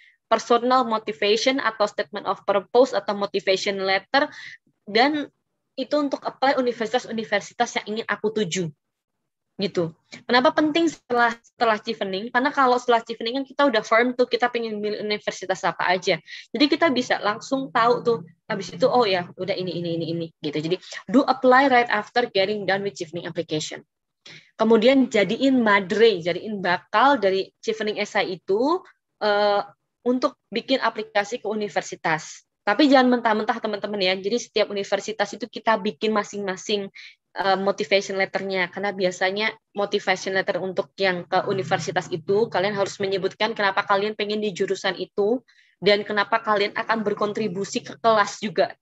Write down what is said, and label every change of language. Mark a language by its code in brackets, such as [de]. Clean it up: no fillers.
[id] personal motivation atau statement of purpose atau motivation letter, dan itu untuk apply universitas-universitas yang ingin aku tuju. Gitu. Kenapa penting setelah chevening? Karena kalau setelah chevening kan kita udah firm tuh kita pengen milih universitas apa aja. Jadi kita bisa langsung tahu tuh habis itu oh ya udah ini gitu. Jadi [en] do apply right after getting done with chevening application. [id] Kemudian jadiin madre, jadiin bakal dari chevening essay itu untuk bikin aplikasi ke universitas. Tapi jangan mentah-mentah teman-teman ya. Jadi setiap universitas itu kita bikin masing-masing motivation letternya, karena biasanya motivation letter untuk yang ke universitas itu kalian harus menyebutkan kenapa kalian pengen di jurusan itu dan kenapa kalian akan berkontribusi ke kelas juga.